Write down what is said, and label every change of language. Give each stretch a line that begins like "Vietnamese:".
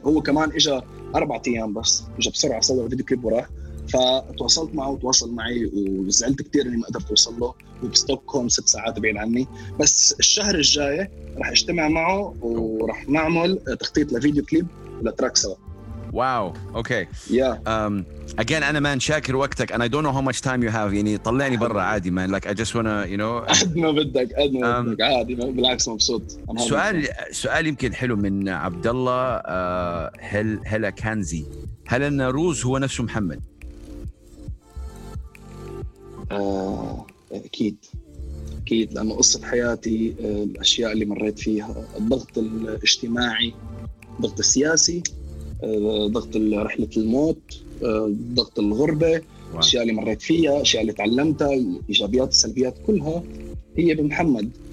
Arabic: هو كمان إجا 4 أيام بس إجا بسرعة صور فيديو كليب وراه. فتواصلت معه وتواصل معي وزعلت كتير اني ما قدرت اوصل له وبستوكهم 6 ساعات بعيد عني. بس الشهر الجاي رح اجتمع معه ورح نعمل تخطيط لفيديو كليب لتراك سوا. واو اوكي يا اجين انا مان شاكر وقتك
English: and I don't know how much time you have.
Arabic: يعني طلعني برا عادي مان
English: like I just wanna you know
Arabic: قد ما بدك قد ما بدك عادي بالعكس مبسوط. سؤال يمكن حلو من عبد الله هل كانزي، هل ان روز هو نفسه محمد؟ أكيد أكيد لأنه قصة حياتي الأشياء اللي مريت فيها الضغط الاجتماعي الضغط السياسي ضغط رحلة الموت ضغط الغربة الأشياء اللي مريت فيها الأشياء اللي تعلمتها الإيجابيات السلبيات كلها هي بمحمد.